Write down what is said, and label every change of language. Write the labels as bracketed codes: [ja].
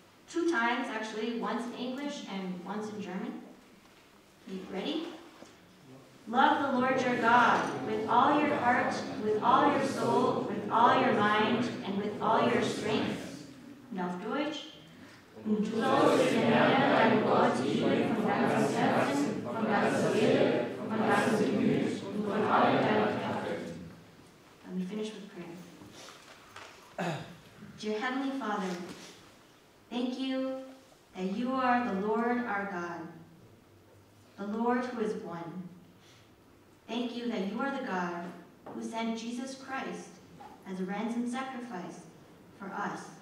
[en] Two times, actually, once in English and once in German. You ready? Love the Lord your God with all your heart, with all your soul, with all your mind, and with all your strength. [de] Und auf Deutsch. Und du sollst den Herrn, dein Gott, lieben von ganzem Herzen, von ganzer Seele, von ganzem Gemüt und von all deiner Kraft. [en] And we finish with prayer. Dear Heavenly Father, thank you that you are the Lord our God, the Lord who is one. Thank you that you are the God who sent Jesus Christ as a ransom sacrifice for us.